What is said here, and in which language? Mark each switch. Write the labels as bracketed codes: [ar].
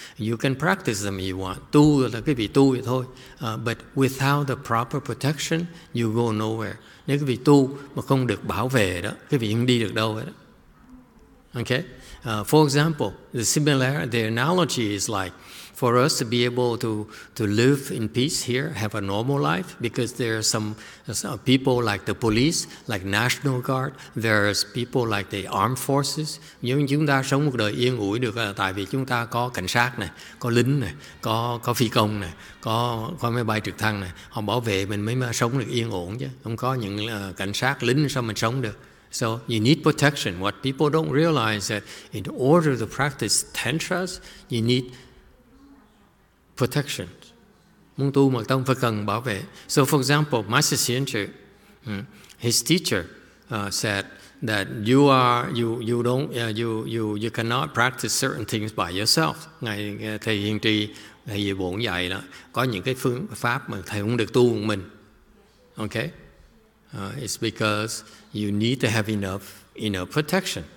[en] You can practice them if you want. [vi] Tu là quý vị tu vậy thôi. [en] But without the proper protection, you go nowhere. [vi] Nếu quý vị tu mà không được bảo vệ đó, quý vị không đi được đâu hết. [en] Okay? For example, the analogy is like, for us to be able to live in peace here, have a normal life, because there are some people like the police, like National Guard, there are people like the armed forces. [vi] Nhưng chúng ta sống một đời yên ủi được là tại vì chúng ta có cảnh sát này, có lính này, có phi công này, có máy bay trực thăng này. Họ bảo vệ mình mới sống được yên ổn chứ. Không có những cảnh sát, lính sao mình sống được. [en] So you need protection. What people don't realize is that in order to practice tantras, you need protection. [vi] Muốn tu Mật Tông phải cần bảo vệ. [en] So for example, Master Xianzhi, his teacher said that you cannot practice certain things by yourself. [vi] Ngài thầy Hiền Trì, thầy Diệu Bổn dạy đó, có những cái phương pháp mà thầy không được tu một mình. [en] Okay? It's because you need to have enough protection.